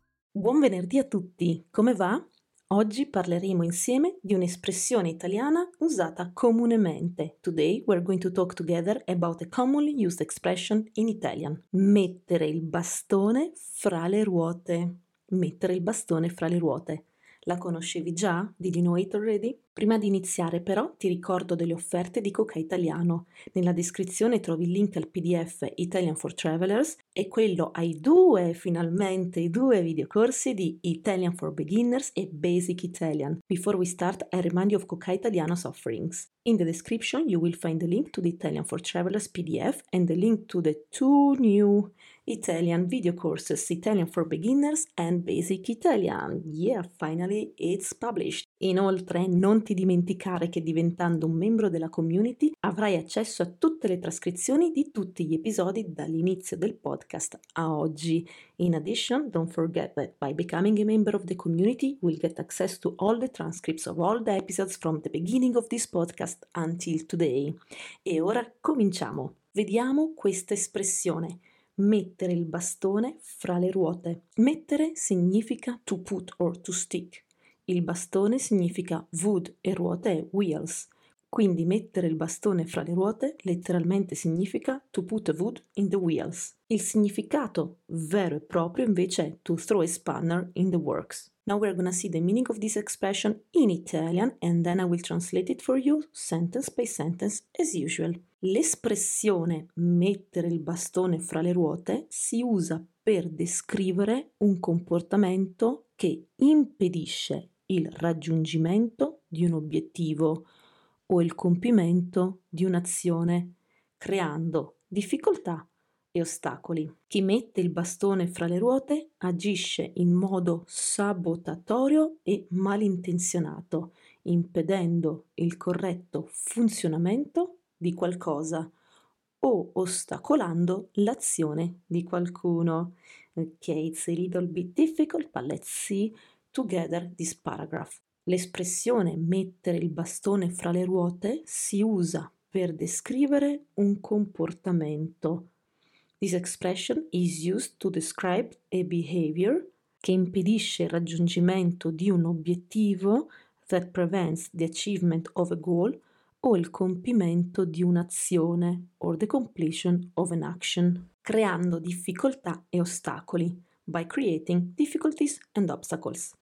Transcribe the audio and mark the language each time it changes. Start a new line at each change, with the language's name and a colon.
Italian: Buon venerdì a tutti, come va? Oggi parleremo insieme di un'espressione italiana usata comunemente.
English: Today we're going to talk together about a commonly used expression in Italian.
Italian: Mettere il bastone fra le ruote. Mettere il bastone fra le ruote. La conoscevi già?
English: Did you know it already?
Italian: Prima di iniziare però ti ricordo delle offerte di Cocai Italiano. Nella descrizione trovi il link al PDF Italian for Travelers e quello ai due, finalmente, i due videocorsi di Italian for Beginners e Basic Italian.
English: Before we start, I remind you of Cocai Italiano's offerings. In the description you will find the link to the Italian for Travelers PDF and the link to the two new Italian videocourses, Italian for Beginners and Basic Italian. Yeah, finally it's published.
Italian: Inoltre, non ti dimenticare che diventando un membro della community avrai accesso a tutte le trascrizioni di tutti gli episodi dall'inizio del podcast a oggi.
English: In addition, don't forget that by becoming a member of the community, we'll get access to all the transcripts of all the episodes from the beginning of this podcast until today.
Italian: E ora cominciamo. Vediamo questa espressione. Mettere il bastone fra le ruote. Mettere significa
English: to put or to stick.
Italian: Il bastone significa wood e ruote è wheels. Quindi mettere il bastone fra le ruote letteralmente significa
English: to put a wood in the wheels.
Italian: Il significato vero e proprio invece è
English: to throw a spanner in the works. Now we're gonna see the meaning of this expression in Italian and then I will translate it for you sentence by sentence as usual.
Italian: L'espressione mettere il bastone fra le ruote si usa per descrivere un comportamento che impedisce il raggiungimento di un obiettivo o il compimento di un'azione, creando difficoltà e ostacoli. Chi mette il bastone fra le ruote agisce in modo sabotatorio e malintenzionato, impedendo il corretto funzionamento di qualcosa o ostacolando l'azione di qualcuno.
English: Ok, it's a little bit difficult, but let's see together this paragraph.
Italian: L'espressione mettere il bastone fra le ruote si usa per descrivere un comportamento.
English: This expression is used to describe a behavior
Italian: che impedisce il raggiungimento di un obiettivo,
English: that prevents the achievement of a goal,
Italian: o il compimento di un'azione,
English: or the completion of an action,
Italian: creando difficoltà e ostacoli,
English: by creating difficulties and obstacles.